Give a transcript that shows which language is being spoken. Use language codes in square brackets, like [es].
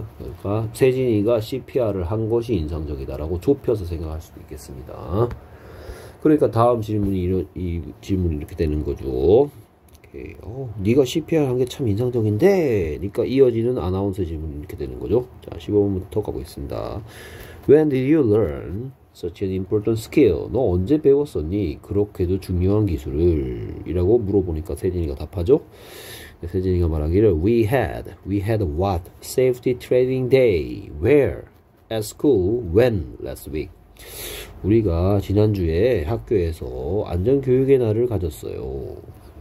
[ko] 그러니까 최진이가 CPR을 한 것이 인상적이다라고 좁혀서 생각할 수도 있겠습니다. 그러니까 다음 질문이 이 질문이 이렇게 되는 거죠. 오케이. 네가 CPR 한게참 인상적인데, 그러니까 이어지는 아나운서 질문이 이렇게 되는 거죠. 자, 15번부터 가고 있습니다. [en] When did you learn such an important skill? [ko] 너 언제 배웠었니? 그렇게도 중요한 기술을? 이라고 물어보니까 세진이가 답하죠. 세진이가 말하기를 [en] We had what? Safety training day. Where? At school. When? Last week. [ko] 우리가 지난주에 학교에서 안전교육의 날을 가졌어요.